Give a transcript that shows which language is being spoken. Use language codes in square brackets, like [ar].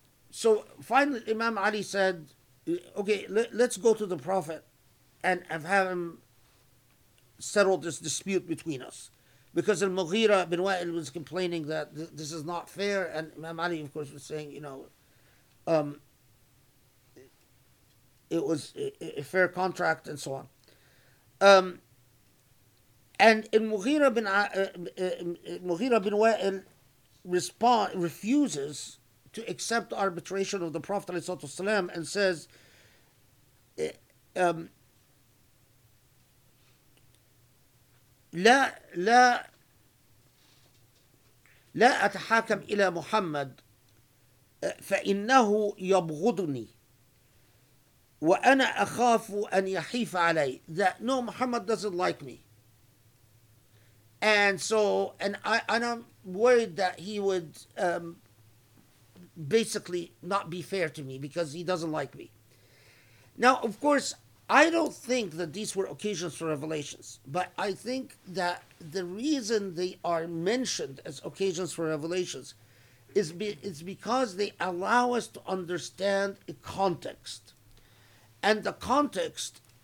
[en] so finally Imam Ali said, okay, let's go to the Prophet and have him settle this dispute between us. Because Al-Mughira bin Wa'il was complaining that this is not fair, and Imam Ali, of course, was saying, you know, it was a fair contract and so on. And Al-Mughira bin Wa'il refuses to accept arbitration of the Prophet والسلام, and says, [ar] لا أتحاكم إلى محمد فإنه يبغضني وأنا أخاف أن يحيف علي. [en] That no, Muhammad doesn't like me, and I'm worried that he would basically not be fair to me because he doesn't like me. Now, of course, I don't think that these were occasions for revelations, but I think that the reason they are mentioned as occasions for revelations is because they allow us to understand a context. And the context